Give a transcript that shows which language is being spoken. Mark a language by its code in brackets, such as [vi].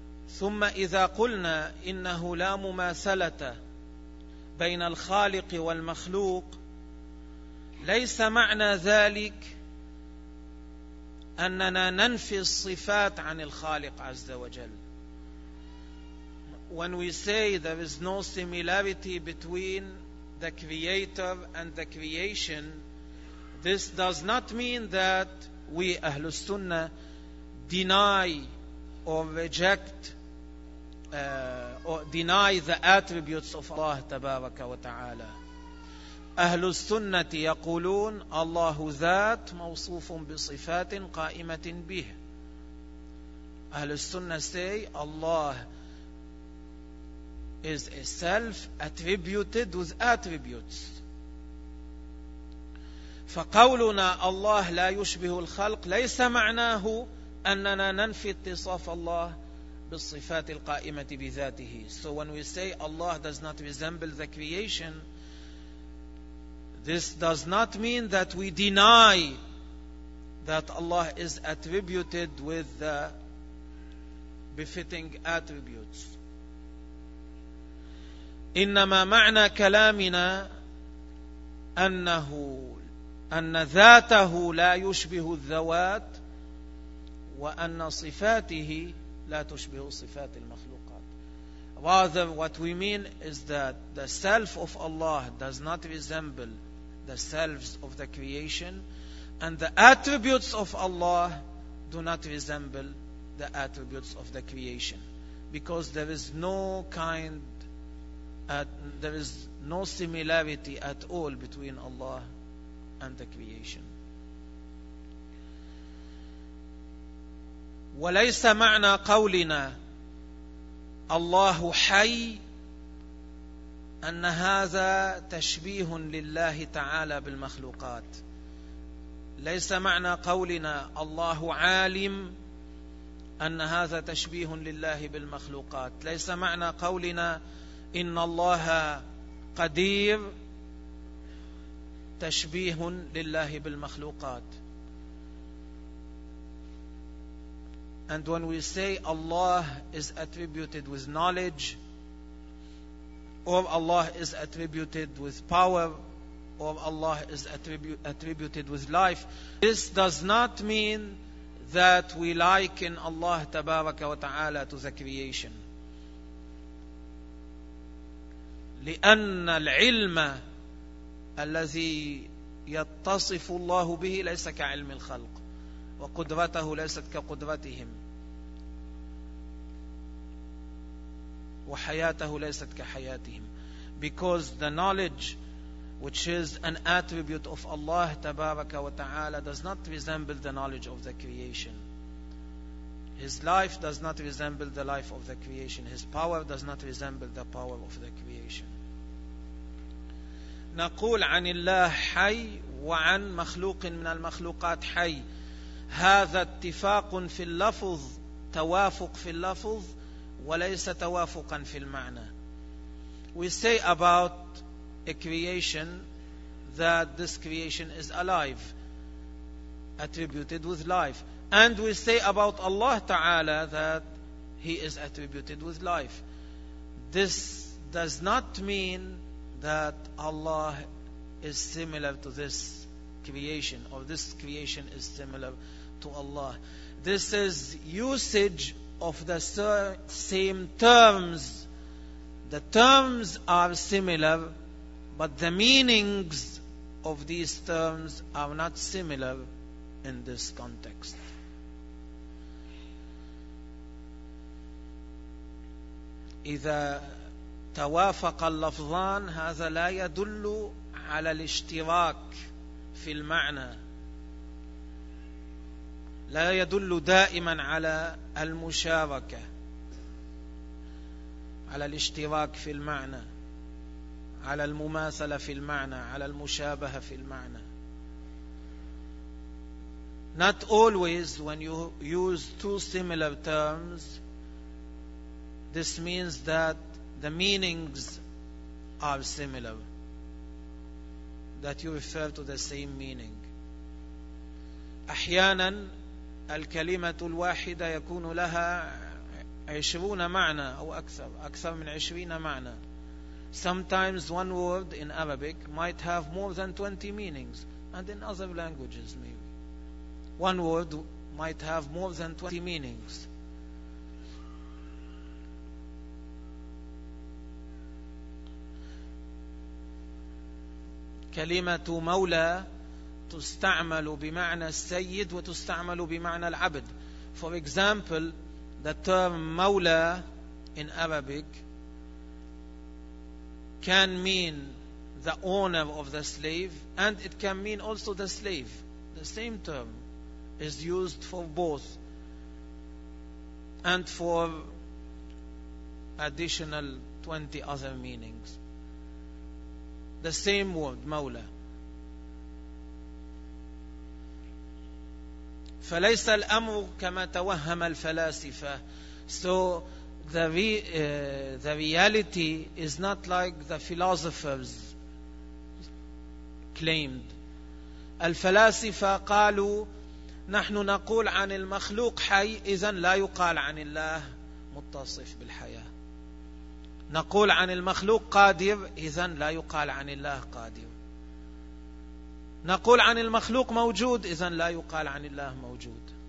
[ar] ثم إذا قلنا إنه لا مماثلة بين الخالق والمخلوق ليس معنى ذلك أننا ننفي الصفات عن الخالق عز وجل. [en] When we say there is no similarity between the Creator and the creation, this does not mean that we, Ahlus Sunnah, deny or reject or deny the attributes of Allah Tabaraka wa Ta'ala. [ar] Ahlus Sunnah يقولون الله ذات موصوف بصفات قائمة به. [en] Ahlus Sunnah say Allah is a self attributed with attributes. [ar] فقولنا الله لا يشبه الخلق ليس معناه أننا ننفي اتصاف الله بالصفات القائمة بذاته. [en] So when we say Allah does not resemble the creation, this does not mean that we deny that Allah is attributed with the befitting attributes. [ar] إنما معنى كلامنا أنه أن ذاته لا يشبه الذوات وأن صفاته لا تشبه صفات المخلوقات. [en] Rather, what we mean is that the self of Allah does not resemble the selves of the creation, and the attributes of Allah do not resemble the attributes of the creation, because there is no kind there is no similarity at all between Allah and the creation. [ar] وليس معنى قولنا الله حي أن هذا تشبيه لله تعالى بالمخلوقات. ليس معنى قولنا الله عالم أن هذا تشبيه لله بالمخلوقات. ليس معنى قولنا إن الله قدير تشبيه لله بالمخلوقات. [en] And when we say Allah is attributed with knowledge, or Allah is attributed with power, or Allah is attributed with life, this does not mean that we liken Allah [ar] تبارك وتعالى [en] to the creation. [ar] لأن العلم الذي يتصف الله به ليس كعلم الخلق وقدرته ليست كقدرتهم وحياته ليست كحياتهم. [en] Because the knowledge which is an attribute of Allah [ar] تبارك وتعالى [en] does not resemble the knowledge of the creation. His life does not resemble the life of the creation. His power does not resemble the power of the creation. [ar] نقول عن الله حي وعن مخلوق من المخلوقات حي. هذا اتفاق في اللفظ، توافق في اللفظ وليس توافقا في المعنى. [en] We say about a creation that this creation is alive, attributed with life. And we say about Allah Ta'ala that He is attributed with life. This does not mean that Allah is similar to this creation, or this creation is similar to Allah. This is usage of the same terms. The terms are similar, but the meanings of these terms are not similar in this context. [ar] إذا إذا توافق اللفظان هذا لا يدل على الاشتراك في المعنى، لا يدل دائما على المشاركة، على الاشتراك في المعنى، على المماثلة في المعنى، على المشابهة في المعنى. [en] Not always when you use two similar terms, this means that the meanings are similar, that you refer to the same meaning. [ar] أحيانا الكلمة الواحدة يكون لها 20 معنى أو أكثر، أكثر من 20 معنى. [en] Sometimes one word in Arabic might have more than 20 meanings, and in other languages maybe. One word might have more than 20 meanings. [ar] كلمة مولى تستعمل بمعنى السيد وتستعمل بمعنى العبد. [en] For example, the term مولى in Arabic can mean the owner of the slave, and it can mean also the slave. The same term is used for both and for additional 20 other meanings. The same word, مولى. [ar] فليس الأمر كما توهم الفلاسفة. [en] So the reality is not like the philosophers claimed. [ar] الفلاسفة قالوا نحن نقول عن المخلوق حي، إذن لا يقال عن الله متصف بالحياة. نقول عن المخلوق قادر، إذن لا يقال عن الله قادر. نقول عن المخلوق موجود، إذن لا يقال عن الله موجود.